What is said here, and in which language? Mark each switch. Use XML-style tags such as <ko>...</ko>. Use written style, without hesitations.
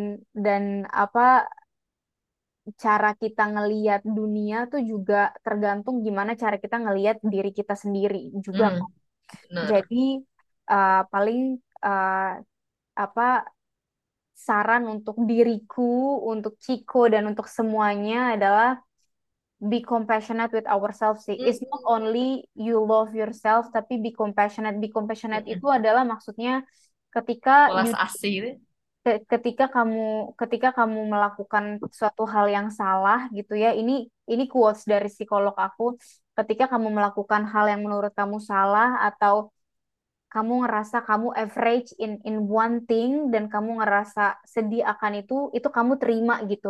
<id>Dan apa cara kita ngeliat dunia tuh juga tergantung gimana cara kita ngeliat diri kita sendiri juga kan. Benar. Jadi paling apa saran untuk diriku, untuk Chico, dan untuk semuanya adalah</id> <en>be compassionate with ourselves</en> <id>sih.</id> <en>It's not only you love yourself, tapi be compassionate.</en> <id>Be compassionate itu adalah maksudnya ketika Welas</id> <en>you</en> <id>asih. ketika kamu melakukan suatu hal yang salah gitu ya. Ini quotes dari psikolog aku. Ketika kamu melakukan hal yang menurut kamu salah atau kamu ngerasa kamu</id> <en>average in one thing</en> <id>dan kamu ngerasa sedih akan itu kamu terima gitu.</id>